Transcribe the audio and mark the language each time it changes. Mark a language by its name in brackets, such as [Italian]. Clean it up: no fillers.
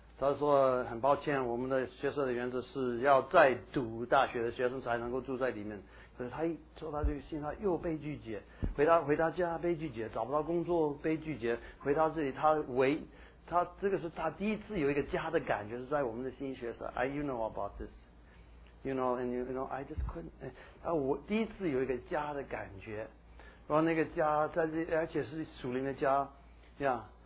[Chinese] 他说很抱歉，我们的学社的原则是要再读大学的学生才能够住在里面。可是他一收到这个信，他又被拒绝，回到家被拒绝，找不到工作被拒绝，回到这里他这个是他第一次有一个家的感觉，是在我们的新学社。 [English] You know about this, you know, and you know, I just couldn't. [Chinese] 我第一次有一个家的感觉，然后那个家在这，而且是属灵的家，呀。